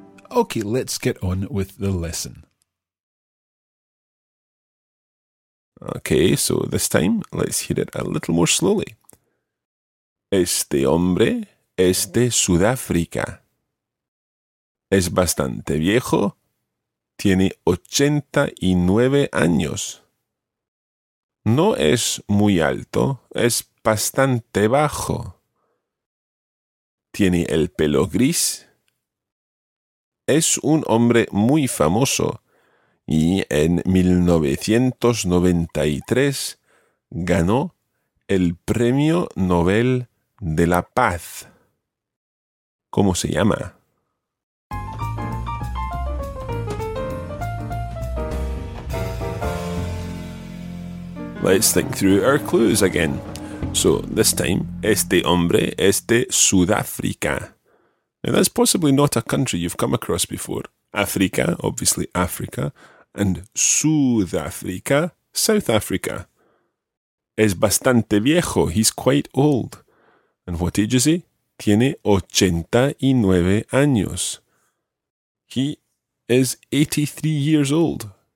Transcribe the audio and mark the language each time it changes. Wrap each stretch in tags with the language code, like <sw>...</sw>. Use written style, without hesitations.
<en>Okay, let's get on with the lesson. Okay, so this time, let's hear it a little more slowly.</en> <es>Este hombre es de Sudáfrica. Es bastante viejo. Tiene 89 años. No es muy alto, es bastante bajo. Tiene el pelo gris. Es un hombre muy famoso Y en 1993 ganó el Premio Nobel de la Paz. ¿Cómo se llama?</es> <en>Let's think through our clues again. So, this time,</en> <es>este hombre es de Sudáfrica.</es> <en>Now, that's possibly not a country you've come across before. África, obviously Africa, and Sudáfrica, South Africa.</en> <es>Es bastante viejo,</es> <en>he's quite old. And what age is he?</en> <es>Tiene 89 años.</es> <en>He is 83 years old.</en>